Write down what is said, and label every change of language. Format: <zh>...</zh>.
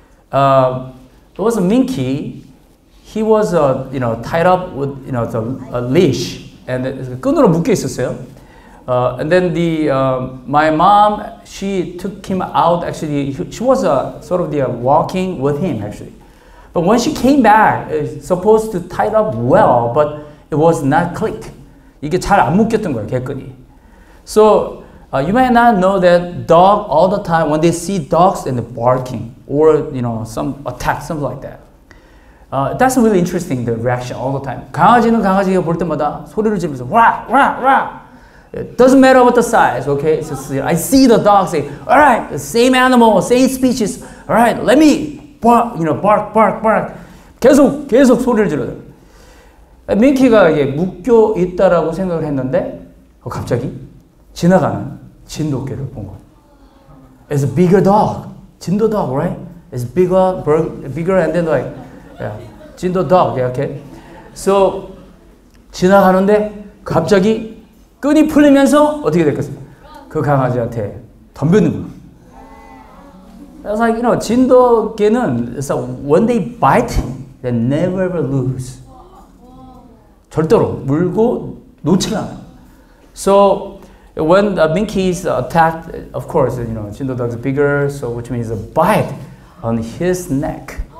<en>It was a minky. He was, you know, tied up with, you know, the leash, and</en> <ko>끈으로 묶여 있었어요.</ko> <en>And then the my mom, she took him out. Actually, she was sort of the walking with him actually, but when she came back, it's supposed to tie it up well, but it was not click.</en> <ko>이게 잘 안 묶였던 거예요, 개끈이.</ko> <en>So you might not know that dog all the time when they see dogs and they're barking or you know some attack, something like that. That's really interesting, the reaction all the time.</en> <ko>강아지는 강아지가 볼 때마다 소리를 지르면서 wah wah wah.</ko> <en>It doesn't matter what the size, okay? It's just, you know, I see the dog say, all right, the same animal, same species. All right, let me bark, you know, bark, bark, bark.</en> <ko>계속 소리를 질러요. 민키가 이게 묶여 있다라고 생각을 했는데 갑자기 지나가는 진돗개를 본 거예요.</ko> <en>It's a bigger dog. 진도 dog, right? It's bigger and then like, yeah, 진도 dog, yeah, okay?</en> <ko>So, 지나가는데 갑자기 끈이 풀리면서 어떻게 됐겠어요? 그 강아지한테 덤벼는 거.</ko> <en>It's like, you know, 진돗개는 it's like when they bite, they never ever lose.</en> <ko>절대로 물고 놓지 않아.</ko> <en>So when the minkies attacked, of course, you know, 진돗개 is bigger, so which means a bite on his neck.</en>